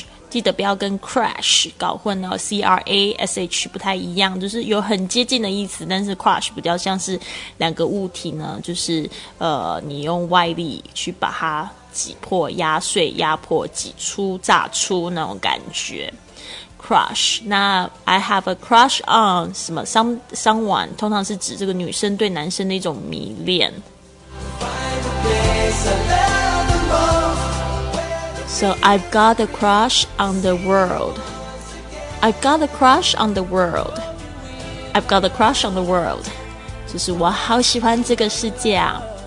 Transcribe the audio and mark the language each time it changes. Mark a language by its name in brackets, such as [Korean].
[Chinese] 记得不要跟 crash 搞混哦， crash 不太一样，就是有很接近的意思，但是 crash 比较像是两个物体呢，就是你用外力去把它挤破、压碎、压迫、挤出、炸出那种感觉。 crush， 那 [English] I have a crush on [Chinese] 什么 someone， 通常是指这个女生对男生的一种迷恋。 [English] So I've got a crush on the world. I've got a crush on the world. I've got a crush on the world. [Chinese] 就是我好喜欢这个世界啊。